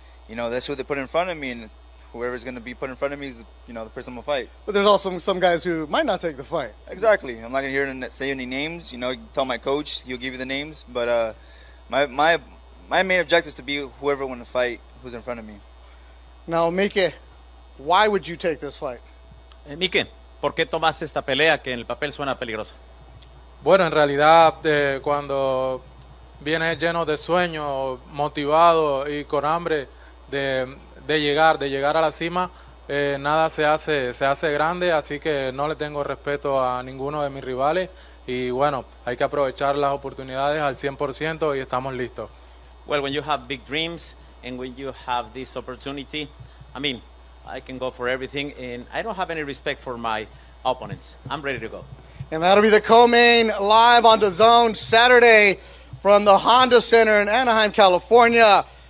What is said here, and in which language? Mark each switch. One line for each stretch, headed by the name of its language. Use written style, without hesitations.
English: You know, that's who they put in front of me, and whoever's going to be put in front of me is, you know, the person I'm going to fight. But there's also some guys who might not take the fight. Exactly. I'm not going to hear and say any names. You know, you tell my coach, he'll give you the names. But my main objective is to be whoever I want to fight who's in front of me. Now, Mike, why would you take this fight?
Spanish: Mike, ¿por qué tomas esta pelea que en el papel suena peligrosa? Bueno, en realidad, cuando vienes lleno de sueños, motivado y con hambre de llegar a la cima, nada se hace grande, así que no le tengo respeto a ninguno de mis rivales y bueno, hay que aprovechar las oportunidades al 100% y estamos listos.
English: Well, when you have big dreams and when you have this opportunity, I mean, I can go for everything and I don't have any respect for my opponents. I'm ready to go. And that'll be the co-main live on DAZN Saturday from the Honda Center in Anaheim, California.